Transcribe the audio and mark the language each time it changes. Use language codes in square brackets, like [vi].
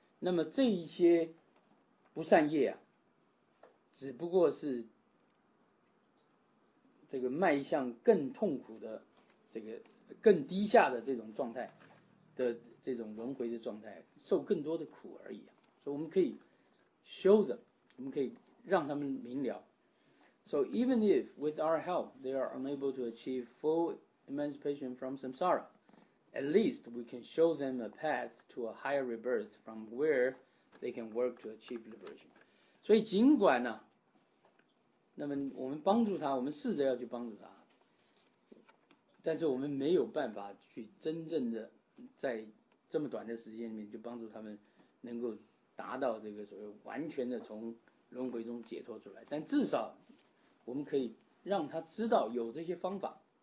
[zh] 那么这一些不善业只不过是这个迈向更痛苦的这个更低下的这种状态的这种轮回的状态，受更多的苦而已。所以我们可以 [en] show them, [zh] 我们可以让他们明了。 [en] So even if with our help they are unable to achieve full emancipation from samsara, at least we can show them a path to a higher rebirth from where they can work to achieve liberation. [zh] 所以尽管呢，那么我们帮助他，我们试着要去帮助他，但是我们没有办法去真正的在这么短的时间里面就帮助他们能够达到这个所谓完全的从轮回中解脱出来，但至少我们可以让他知道有这些方法。